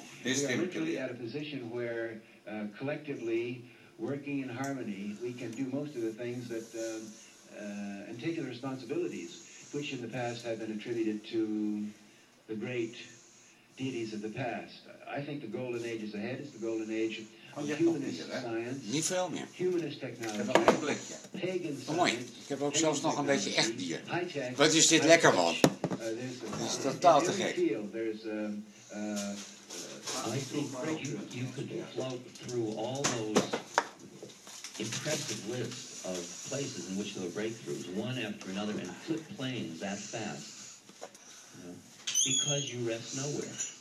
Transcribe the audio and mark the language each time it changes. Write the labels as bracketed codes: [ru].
[en] This we are literally at a position where collectively working in harmony we can do most of the things that and take the responsibilities which in the past have been attributed to the great deities of the past. I think the golden age is ahead. It's the golden age of humanist science. [nl] Niet veel meer. [en] Humanist technology. [nl] Ik heb ook een blikje. [en] Pagan science. [nl] Mooi. Ik heb ook zelfs nog een beetje echt bier. Wat is dit lekker, man? Dat is totaal te gek. [en] I think that you could float through all those impressive lists of places in which there are breakthroughs, one after another, and flip planes that fast, because you rest nowhere.